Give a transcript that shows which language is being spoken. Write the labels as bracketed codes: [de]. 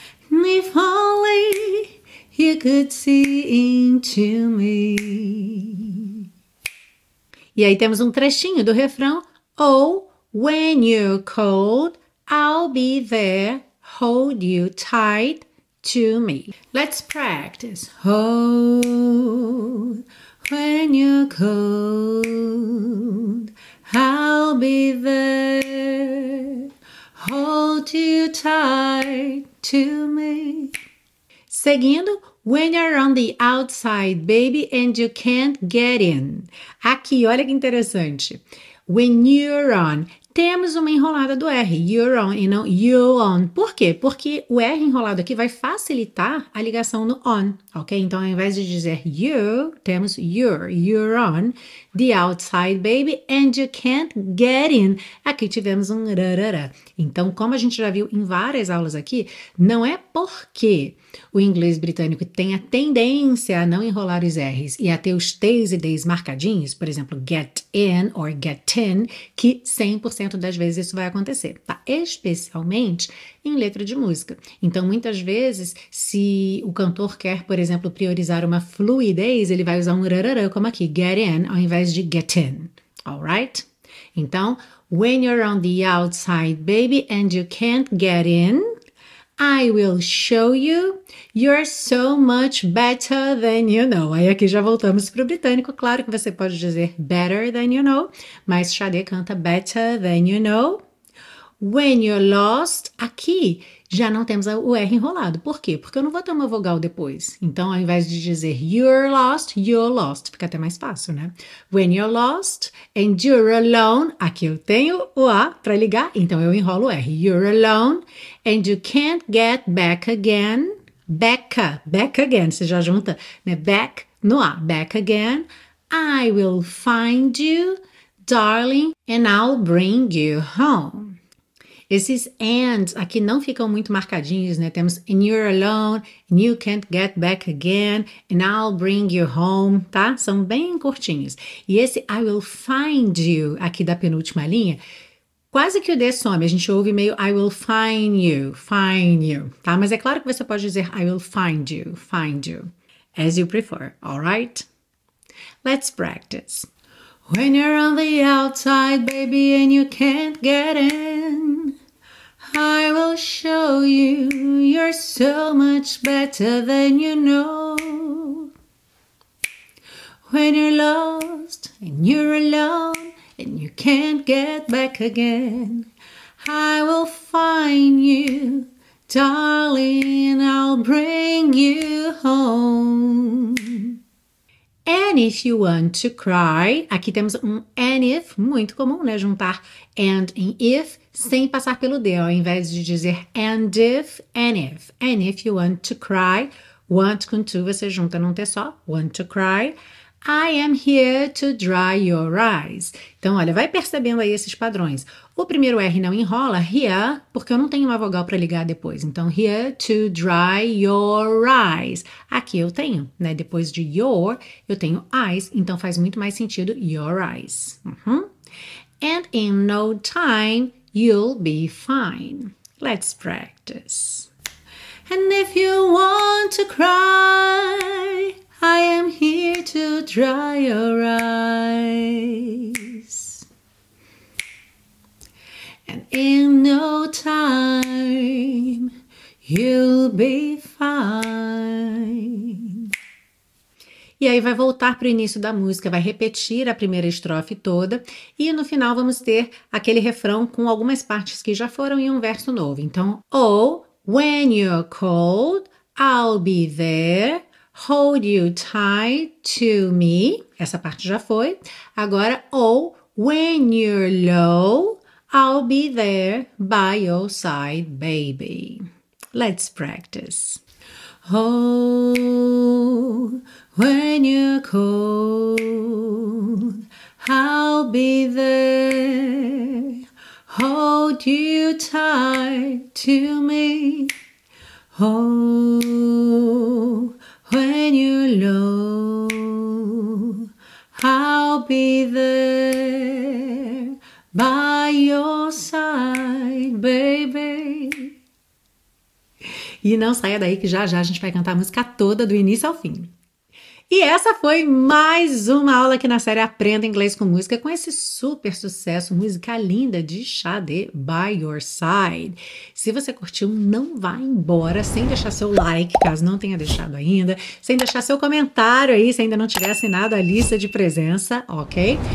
[en] If only you could see into me. [pt] E aí temos um trechinho do refrão. [en] Oh, when you're cold, I'll be there, hold you tight to me. Let's practice. Oh, when you're cold, I'll be there, hold you tight to me. [pt] Seguindo, [en] when you're on the outside, baby, and you can't get in. [pt] Aqui, olha que interessante. [en] When you're on, [pt] temos uma enrolada do R, [en] you're on [pt] e não you're on. Por quê? Porque o R enrolado aqui vai facilitar a ligação no on, ok? Então, ao invés de dizer [en] you, [pt] temos [en] you're on the outside, baby, and you can't get in. [pt] Aqui tivemos um rarara. Então, como a gente já viu em várias aulas aqui, não é porque o inglês britânico tem a tendência a não enrolar os R's e a ter os T's e D's marcadinhos, por exemplo, [en] get in or get in, [pt] que 100% das vezes isso vai acontecer, tá? Especialmente em letra de música. Então, muitas vezes, se o cantor quer, por exemplo, priorizar uma fluidez, ele vai usar um rararã, como aqui, [en] get in, [pt] ao invés de get in, [en] alright? [pt] Então, [en] when you're on the outside, baby, and you can't get in, I will show you you're so much better than you know. [pt] Aí aqui já voltamos para o britânico. Claro que você pode dizer [en] better than you know, [pt] mas Sade canta better than you know. [en] When you're lost, [pt] aqui já não temos o R enrolado. Por quê? Porque eu não vou ter uma vogal depois. Então, ao invés de dizer [en] you're lost, [pt] fica até mais fácil, né? [en] When you're lost and you're alone, [pt] aqui eu tenho o A para ligar, então eu enrolo o R. [en] You're alone and you can't get back again. [pt] Becca, [en] back again. [pt] Você já junta, né? Back no A. [en] Back again. I will find you, darling, and I'll bring you home. [pt] Esses ands aqui não ficam muito marcadinhos, né? Temos [en] and you're alone, and you can't get back again, and I'll bring you home, [pt] tá? São bem curtinhos. E esse [en] I will find you [pt] aqui da penúltima linha, quase que o D some. A gente ouve meio I will find you, tá? Mas é claro que você pode dizer [en] I will find you, as you prefer, alright? Let's practice. When you're on the outside, baby, and you can't get in. I will show you, you're so much better than you know. When you're lost and you're alone and you can't get back again, I will find you, darling, I'll bring you home. And if you want to cry, [pt] aqui temos um [en] and if, [pt] muito comum, né? Juntar and em if. Sem passar pelo D, ao invés de dizer [en] and if you want to cry, [pt] want com to, você junta num T só, [en] want to cry, I am here to dry your eyes. [pt] Então, olha, vai percebendo aí esses padrões. O primeiro R não enrola, here, porque eu não tenho uma vogal para ligar depois. Então, [en] here to dry your eyes. [pt] Aqui eu tenho, né? Depois de your, eu tenho eyes, então faz muito mais sentido [en] your eyes. And in no time, you'll be fine. Let's practice. And if you want to cry, I am here to dry your eyes. And in no time, you'll be fine. [pt] E aí, vai voltar para o início da música, vai repetir a primeira estrofe toda, e no final vamos ter aquele refrão com algumas partes que já foram e um verso novo. [en] Então, oh, when you're cold, I'll be there, hold you tight to me. [pt] Essa parte já foi. Agora, [en] oh, when you're low, I'll be there by your side, baby. Let's practice. Oh, when you're cold, I'll be there. Hold you tight to me. Oh, when you're low, I'll be there by your side, baby. [pt] E não saia daí que já já a gente vai cantar a música toda do início ao fim. E essa foi mais uma aula aqui na série Aprenda Inglês com Música, com esse super sucesso, música linda de Sade, By Your Side. Se você curtiu, não vá embora sem deixar seu like, caso não tenha deixado ainda, sem deixar seu comentário aí, se ainda não tiver assinado a lista de presença, ok?